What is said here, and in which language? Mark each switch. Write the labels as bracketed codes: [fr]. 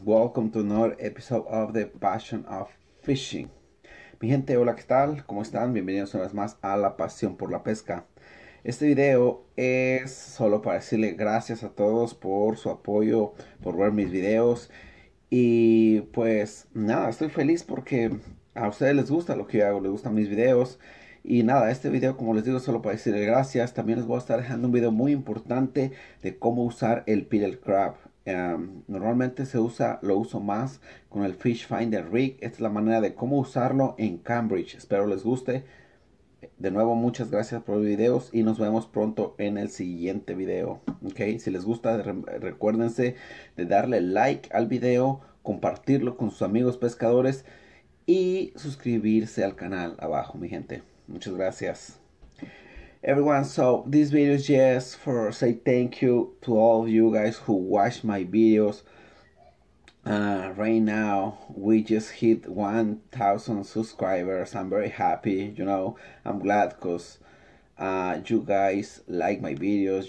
[en] Welcome to another episode of The Passion of Fishing. [es] Mi gente, hola, ¿qué tal? ¿Cómo están? Bienvenidos una vez más a La Pasión por la Pesca. Este video es solo para decirle gracias a todos por su apoyo, por ver mis videos. Y pues nada, estoy feliz porque a ustedes les gusta lo que yo hago, les gustan mis videos. Y nada, este video, como les digo, solo para decirle gracias. También les voy a estar dejando un video muy importante de cómo usar el Peter Crab. Normalmente lo uso más con el Fish Finder Rig. Esta es la manera de cómo usarlo en Cambridge. Espero les guste. De nuevo, muchas gracias por los videos y nos vemos pronto en el siguiente video. Okay, si les gusta, recuérdense de darle like al video, compartirlo con sus amigos pescadores y suscribirse al canal abajo, mi gente. Muchas gracias. [en] Everyone, so this video is just for say thank you to all of you guys who watch my videos. Right now, we just hit 1,000 subscribers. I'm very happy, you know. I'm glad because you guys like my videos.